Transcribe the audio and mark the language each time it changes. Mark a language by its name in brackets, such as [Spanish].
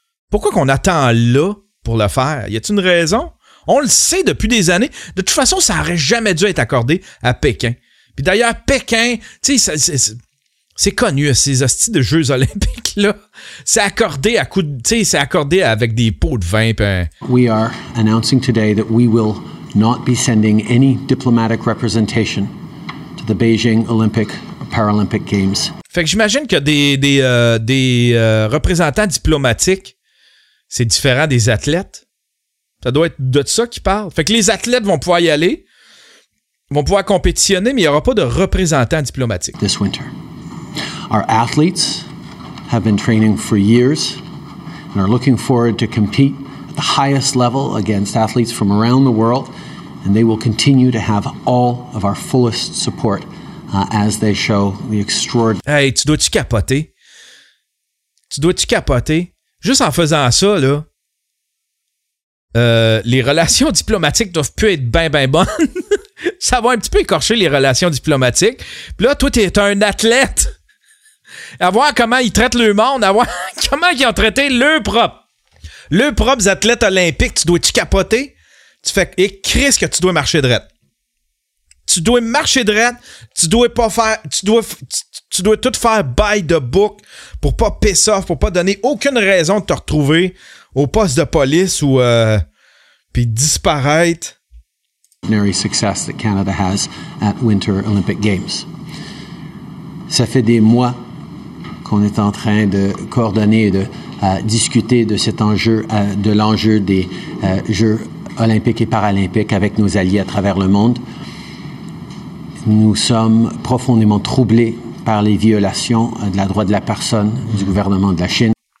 [French] Pourquoi qu'on attend là pour le faire? Y a-t-il une raison? On le sait depuis des années. De toute façon, ça aurait jamais dû être accordé à Pékin. Puis d'ailleurs, Pékin, tu sais, c'est connu, ces hosties de Jeux olympiques, là. C'est accordé à coup de... Tu sais, c'est accordé avec des pots de vin, puis... [English] We are announcing today that we will not be sending any diplomatic representation to the Beijing Olympic Paralympic Games. [French] Fait que j'imagine que des représentants diplomatiques, c'est différent des athlètes. Ça doit être de ça qu'ils parlent. Fait que les athlètes vont pouvoir y aller, vont pouvoir compétitionner, mais il n'y aura pas de représentants diplomatiques. [English] This winter. Our athletes have been training for years and are looking forward to compete at the highest level against athletes from around the world, and they will continue to have all of our fullest support as they show the extraordinary... [French] Hey, tu dois-tu capoter? Tu dois-tu capoter? Juste en faisant ça, là, les relations diplomatiques doivent plus être ben, ben bonnes. Ça va un petit peu écorcher les relations diplomatiques. Puis là, toi, t'es un athlète. À voir comment ils traitent le monde, à voir comment ils ont traité leurs propres athlètes olympiques. Tu dois-tu capoter? Tu fais, et Christ, que tu dois marcher droit. Tu dois marcher droit. Tu dois pas faire, tu dois tout faire [English] by the book [French] pour pas [English] piss off, [French] pour pas donner aucune raison de te retrouver au poste de police ou puis disparaître. [English] Extraordinary success that Canada has at Winter Olympic Games. [French] Ça fait des mois qu'on est en train de coordonner et de discuter de cet enjeu, de l'enjeu des Jeux olympiques et paralympiques avec nos alliés à travers le monde. Nous sommes profondément troublés par les violations de la droit de la personne du gouvernement de la Chine.